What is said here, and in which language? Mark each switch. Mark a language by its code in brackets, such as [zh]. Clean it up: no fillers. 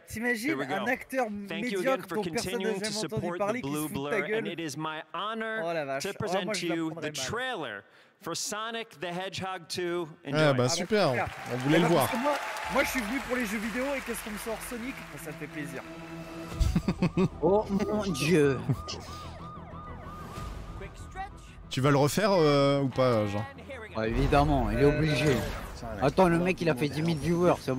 [fr] T'imagines un acteur médiocre dont personne n'a jamais entendu parler qui se fout de ta gueule. [en] It is my honor to present to you the trailer for Sonic the Hedgehog 2. [fr] Ah bah, super. On voulait le voir. Moi, je suis venu pour les jeux vidéo et qu'est-ce qu'on me sort Sonic ? Ça fait plaisir. Oh mon dieu. Tu vas le refaire ou pas, Jean ? Ouais, évidemment, il est obligé. Attends, le mec, il a fait 10 000 viewers, c'est bon.